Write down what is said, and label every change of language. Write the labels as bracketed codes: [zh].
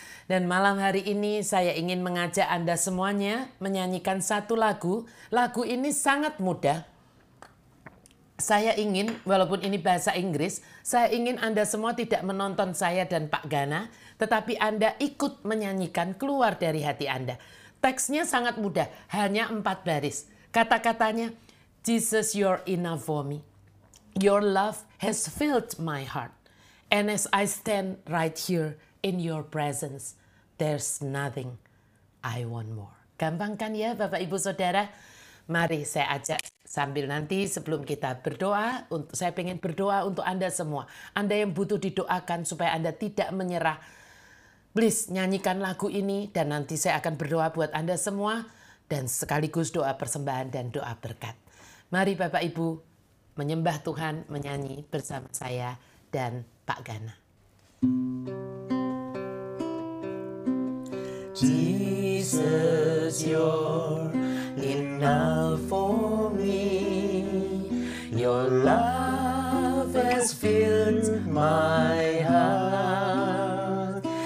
[id] Dan malam hari ini saya ingin mengajak Anda semuanya menyanyikan satu lagu. Lagu ini sangat mudah. Saya ingin, walaupun ini bahasa Inggris, saya ingin Anda semua tidak menonton saya dan Pak Gana, tetapi Anda ikut menyanyikan keluar dari hati Anda. Teksnya sangat mudah, hanya 4 baris. [en] Kata-katanya, Jesus, you're enough for me. Your love has filled my heart. And as I stand right here in your presence, there's nothing I want more. [id] Gampang kan ya Bapak Ibu Saudara? Mari saya ajak sambil nanti sebelum kita berdoa, saya ingin berdoa untuk Anda semua. Anda yang butuh didoakan supaya Anda tidak menyerah. Please nyanyikan lagu ini dan nanti saya akan berdoa buat Anda semua. Dan sekaligus doa persembahan dan doa berkat. Mari Bapak Ibu menyembah Tuhan, menyanyi bersama saya dan Pak Gana. [en] Jesus, you're enough for me. Your love has filled my heart.